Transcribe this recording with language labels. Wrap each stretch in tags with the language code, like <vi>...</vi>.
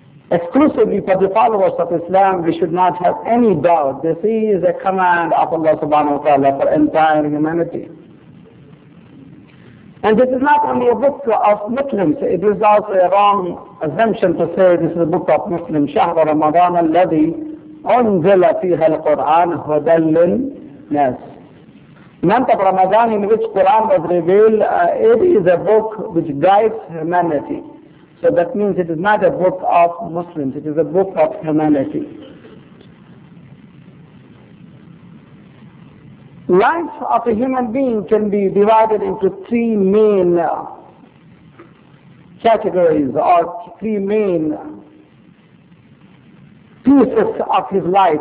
<en>Exclusively for the followers of Islam, we should not have any doubt. This is a command of Allah subhanahu wa ta'ala for entire humanity. And this is not only a book of Muslims, it is also a wrong assumption to say this is a book of Muslims.</en> <ar>شهر رمضان الذي أنزل فيها القرآن هدى للناس.</ar> <en>Month of Ramadan in which Quran was revealed, it is a book which guides humanity. So that means it is not a book of Muslims, it is a book of humanity. Life of a human being can be divided into three main categories, or three main pieces of his life.</en>